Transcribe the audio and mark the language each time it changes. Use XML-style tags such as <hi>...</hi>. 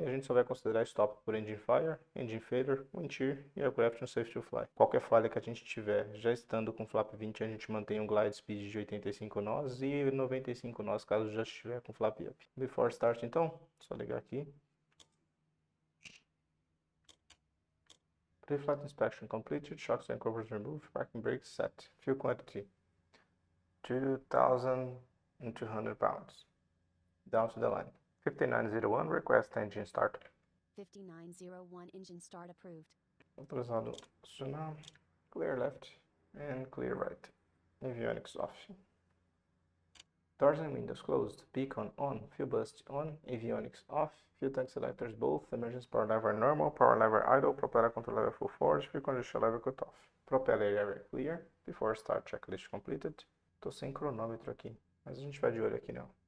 <pt>E a gente só vai considerar stop por engine fire, engine failure, wind shear e</pt> <en>aircraft unsafe to fly.</en> <pt>Qualquer falha que a gente tiver já estando com flap 20, a gente mantém um glide speed de 85 nós e 95 nós, caso já estiver com flap up.</pt> <en>Before start,</en> <pt>então, só ligar aqui.</pt> <en>Pre-flight inspection completed, shocks and covers removed, parking brakes set, fuel quantity 2,200 pounds. Down to the line. 5901 request engine start. 5901 engine start approved.</en> <pt>Autorizado acionar.</pt> <en>Clear left and clear right. Avionics off. Doors and windows closed. Beacon on. Fuel bus on. Avionics off. Fuel tank selectors both. Emergency power lever normal. Power lever idle. Propeller control lever full force. Fuel condition lever cut off. Propeller area clear. Before start checklist completed.</en> <pt>Tô sem cronômetro aqui, mas a gente vai de olho aqui, não.</pt>